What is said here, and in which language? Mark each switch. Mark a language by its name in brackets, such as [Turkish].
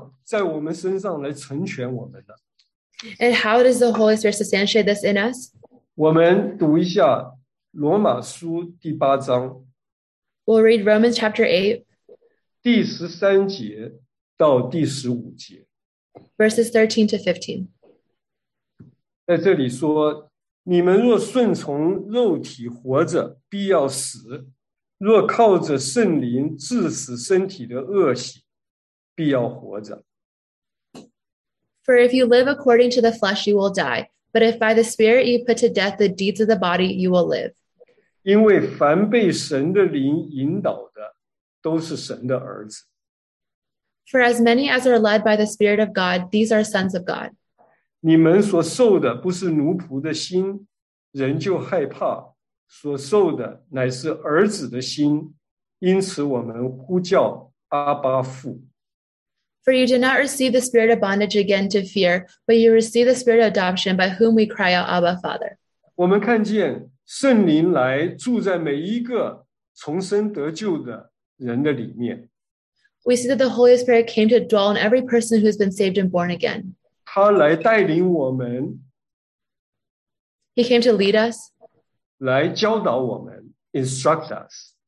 [Chinese] 那么我们看见圣灵怎么样在我们身上来成全我们呢? [English] And how does the Holy Spirit substantiate this in us? [Chinese] 我们读一下罗马书第八章。 [English] We'll read Romans chapter 8. [Chinese] 第13节到第15节。 [English] Verses 13 to 15. [Chinese] 在这里说, 你们若顺从肉体活着,必要死, 若靠着圣灵致死身体的恶习,必要活着。 [English] For if you live according to the flesh, you will die, but if by the Spirit you put to death the deeds of the body, you will live. [Chinese] 因为凡被神的灵引导的, 都是神的儿子。 [English] For as many as are led by the Spirit of God, these are sons of God. [Chinese] 你们所受的不是奴仆的心, 人就害怕, 所受的乃是儿子的心, 因此我们呼叫阿爸父。 [English] For you did not receive the spirit of bondage again to fear, but you received the spirit of adoption by whom we cry out, Abba, Father. [Chinese] 我们看见圣灵来住在每一个重生得救的人的里面。 [English] We see that the Holy Spirit came to dwell in every person who has been saved and born again. [Chinese] 他来带领我们, [English] He came to lead us. [Chinese] 来教导我们, [English] instruct us.